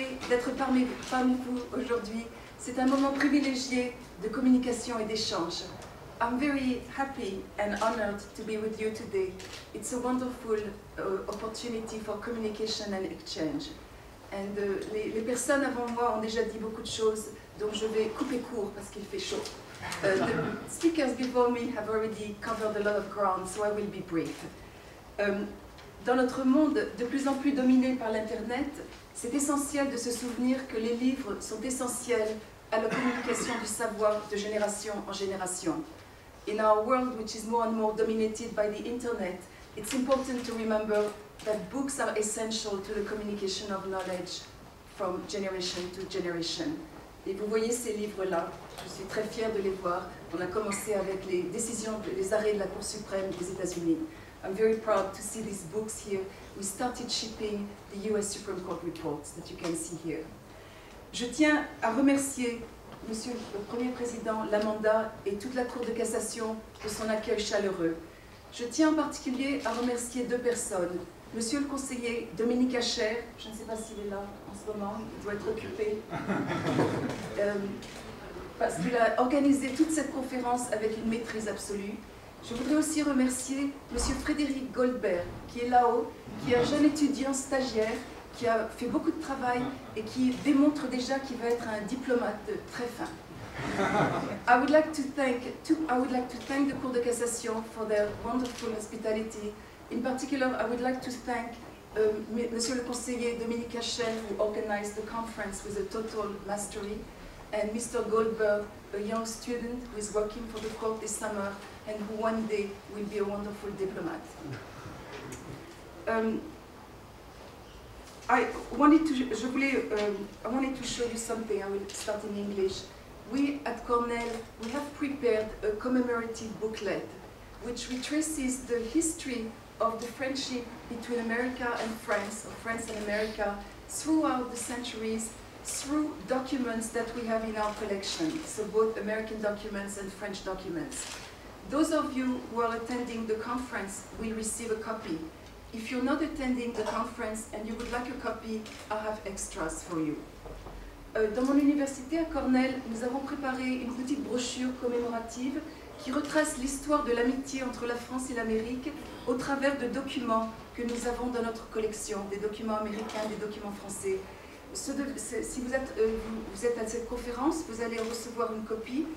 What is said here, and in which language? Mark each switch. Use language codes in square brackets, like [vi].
[fr] D'être parmi vous aujourd'hui, c'est un moment privilégié de communication et d'échange. [en] I'm very happy and honored to be with you today. It's a wonderful opportunity for communication and exchange. And [fr] les personnes avant moi ont déjà dit beaucoup de choses, donc je vais couper court parce qu'il fait chaud. [en] The speakers before me have already covered a lot of ground, so I will be brief. [fr] Dans notre monde de plus en plus dominé par l'Internet, c'est essentiel de se souvenir que les livres sont essentiels à la communication du savoir de génération en génération. [en] In our world, which is more and more dominated by the internet, it's important to remember that books are essential to the communication of knowledge from generation to generation. [fr] Et vous voyez ces livres-là, je suis très fière de les voir. On a commencé avec les décisions, les arrêts de la Cour suprême des États-Unis. [en] I'm very proud to see these books here. We started shipping the US Supreme Court reports that you can see here. [fr] Je tiens à remercier Monsieur le Premier Président Lamanda et toute la Cour de cassation de son accueil chaleureux. Je tiens en particulier à remercier deux personnes. Monsieur le conseiller Dominique Acher, je ne sais pas s'il est là en ce moment, il doit être occupé. Parce qu'il a organisé toute cette conférence avec une maîtrise absolue. Je voudrais aussi remercier M. Frédéric Goldberg, qui est là-haut, qui est un jeune étudiant stagiaire, qui a fait beaucoup de travail et qui démontre déjà qu'il va être un diplomate très fin. [en] I would like to thank the Cour de Cassation for their wonderful hospitality. In particular, I would like to thank Monsieur le conseiller Dominique Hachel, who organized the conference with a total mastery, and Mr. Goldberg, a young student who is working for the court this summer, and who one day will be a wonderful diplomat. I wanted to show you something. I will start in English. We at Cornell, we have prepared a commemorative booklet which retraces the history of the friendship between America and France, or France and America, throughout the centuries, through documents that we have in our collection, so both American documents and French documents. Those of you who are attending the conference will receive a copy. If you're not attending the conference and you would like a copy, I have extras for you. [fr] Dans mon université à Cornell, nous avons préparé une petite brochure commémorative qui retrace l'histoire de l'amitié entre la France et l'Amérique au travers de documents que nous avons dans notre collection, des documents américains, des documents français. Si vous êtes à cette conférence, vous allez recevoir une copie.